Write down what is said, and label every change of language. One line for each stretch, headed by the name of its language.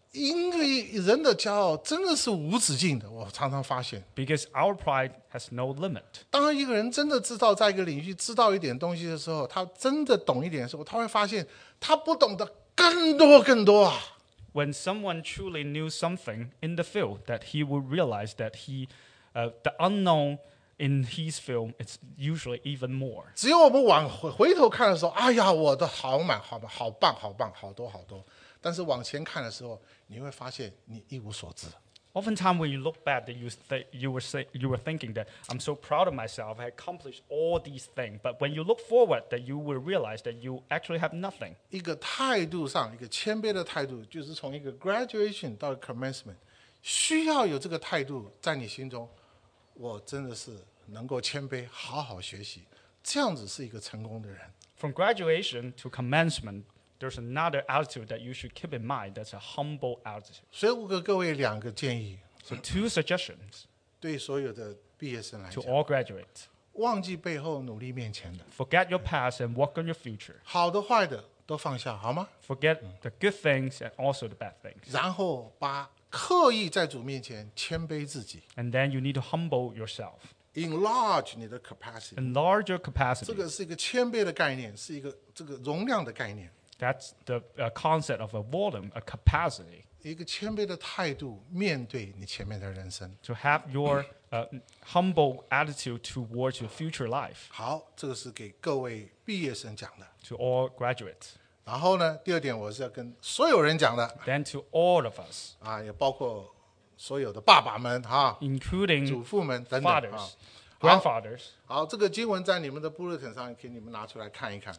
Chinese: 因为人的骄傲真的是无止境的，我常常发现。
English: Because our pride has no limit.
Chinese: 当一个人真的知道在一个领域知道一点东西的时候，他真的懂一点的时候，他会发现他不懂得更多更多啊。
English: When someone truly knew something in the field, that he would realize that the unknown in his field is usually even more.
Chinese: 只有我们往回头看的时候，哎呀，我的好满好满，好棒好棒，好多好多。但是往前看的时候，你会发现你一无所知。
English: Oftentimes, when you look back, you were thinking that I'm so proud of myself, I accomplished all these things. But when you look forward, that you will realize that you actually have nothing.
Chinese: 一个态度上，一个谦卑的态度，就是从一个 graduation 到 commencement， 需要有这个态度在你心中。我真的是能够谦卑，好好学习，这样子是一个成功的人。
English: From graduation to commencement. There's another attitude that you should keep in mind. That's a humble attitude.
Chinese: 所以我给各位两个建议。
English: So two suggestions.
Chinese: 对所有的毕业生来讲
English: to all graduates,
Chinese: 忘记背后努力面前的
English: forget your past and work on your future,
Chinese: 好的坏的都放下好吗
English: forget the good things and also the bad things,
Chinese: 然后把刻意在主面前谦卑自己
English: and then you need to humble yourself, enlarge
Chinese: 你的
English: capacity, enlarge your capacity,
Chinese: 这个是一个谦卑的概念是一个这个容量的概念
English: that's the concept of a volume, a capacity,
Chinese: 一个谦卑的态度面对你前面的人生
English: to have your humble attitude towards your future life
Chinese: 好这个是给各位毕业生讲的
English: to all graduates
Chinese: 然后呢第二点我是要跟所有人讲的
English: then to all of us
Chinese: 啊，也包括所有的爸爸们、啊、
English: including
Chinese: 祖父们等等
English: fathers、grandfathers
Chinese: 好这个经文在你们的 bulletin 上给你们拿出来看一看